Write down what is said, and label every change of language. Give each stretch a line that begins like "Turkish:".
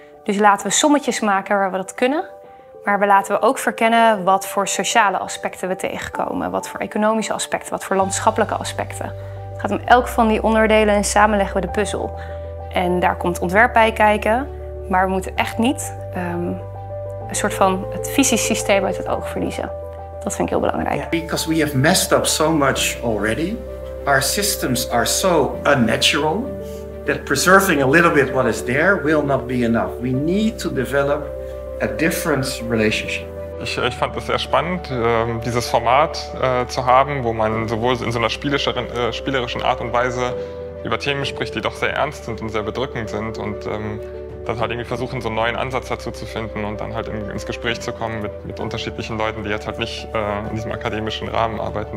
Dutch: Dus laten we sommetjes maken waar we dat kunnen. Maar laten we ook verkennen wat voor sociale aspecten we tegenkomen. Wat voor economische aspecten, wat voor landschappelijke aspecten. Het gaat om elk van die onderdelen en samen leggen we de puzzel. En daar komt ontwerp bij kijken. Maar we moeten echt niet een soort van het visiesysteem uit het oog verliezen. Dat vind ik heel belangrijk.
English: Because we have messed up so much already, our systems are so unnatural that preserving a little bit what is there will not be enough. We need to develop a different relationship.
German: Ich fand es sehr spannend, dieses Format zu haben, wo man sowohl in so einer spielerischen Art und Weise über Themen spricht, die doch sehr ernst sind und sehr bedrückend sind. Und dann halt irgendwie versuchen, so einen neuen Ansatz dazu zu finden und dann halt ins Gespräch zu kommen mit unterschiedlichen Leuten, die jetzt halt nicht in diesem akademischen Rahmen arbeiten.